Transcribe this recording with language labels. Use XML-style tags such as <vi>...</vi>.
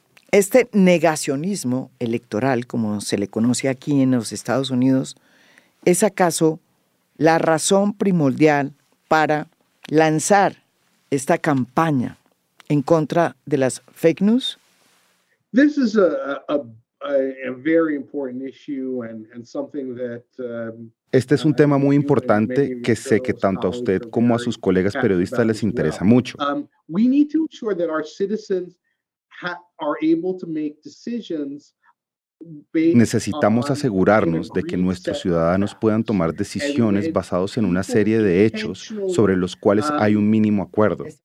<es>Este negacionismo electoral, como se le conoce aquí en los Estados Unidos, ¿es acaso la razón primordial para lanzar esta campaña en contra de las fake news?</es> <en>This is a very important issue and something that</en> <es>Este es un tema muy importante que sé que tanto a usted como a sus colegas periodistas les interesa mucho.</es> <en>We need to ensure that our citizens are able to make decisions.</en> <es>Necesitamos asegurarnos de que nuestros ciudadanos puedan tomar decisiones basados en una serie de hechos sobre los cuales hay un mínimo acuerdo.</es>